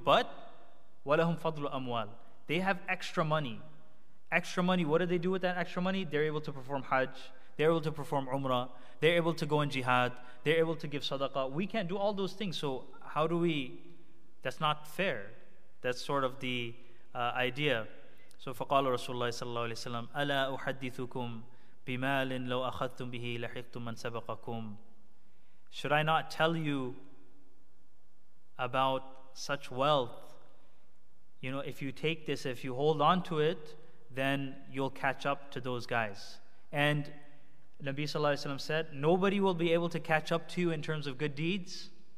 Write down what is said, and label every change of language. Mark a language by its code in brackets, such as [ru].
[en] But [ar] وَلَهُمْ فَضْلُ أَمْوَالٍ. [en] They have extra money. Extra money. What do they do with that extra money? They're able to perform Hajj. They're able to perform Umrah. They're able to go in Jihad. They're able to give Sadaqah. We can't do all those things. So how do we? That's not fair. That's sort of the idea. So [ar] فقال رسول الله صلى الله عليه وسلم ألا أحدثكم بمال لو أخذتم به لحقتم من سبقكم. [en] Should I not tell you about such wealth? You know, if you take this, if you hold on to it, then you'll catch up to those guys. And Nabi [ar] صلى الله عليه وسلم [en] said, nobody will be able to catch up to you in terms of good deeds.